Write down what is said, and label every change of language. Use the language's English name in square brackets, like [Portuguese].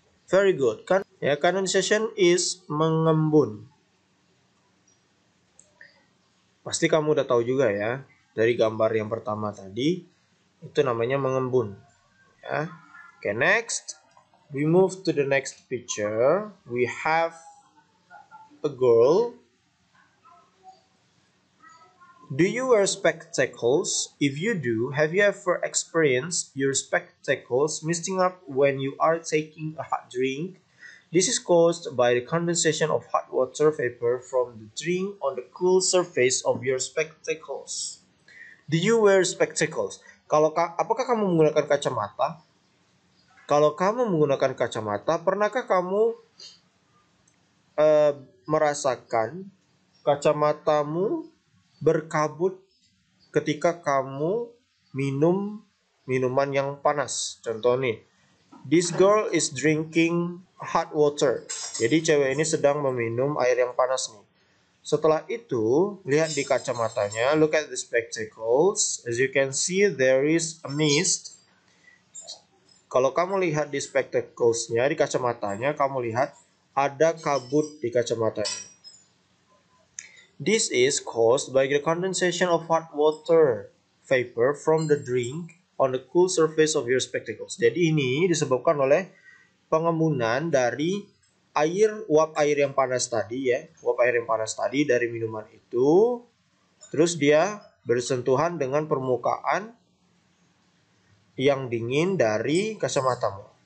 [English] Very good. Ya, condensation is mengembun. [Indonesian] Pasti kamu udah tahu juga ya, dari gambar yang pertama tadi, itu namanya mengembun. Ya. [English] Okay, next, we move to the next picture. We have a girl. Do you wear spectacles? If you do, have you ever experienced your spectacles misting up when you are taking a hot drink? This is caused by the condensation of hot water vapor from the drink on the cool surface of your spectacles. Do you wear spectacles? [Indonesian] Apakah kamu menggunakan kacamata? Kalau kamu menggunakan kacamata, pernahkah kamu merasakan kacamatamu berkabut ketika kamu minum minuman yang panas. Contoh nih, [English] this girl is drinking hot water. [Indonesian] Jadi cewek ini sedang meminum air yang panas nih. Setelah itu, lihat di kacamatanya, [English] look at the spectacles. As you can see, there is a mist. [Indonesian] Kalau kamu lihat di spectacles-nya, di kacamatanya, kamu lihat ada kabut di kacamatanya. [English] This is caused by the condensation of hot water vapor from the drink on the cool surface of your spectacles. [Indonesian] Jadi ini disebabkan oleh pengembunan dari air, uap air yang panas tadi ya. Uap air yang panas tadi dari minuman itu. Terus dia bersentuhan dengan permukaan yang dingin dari kacamatamu.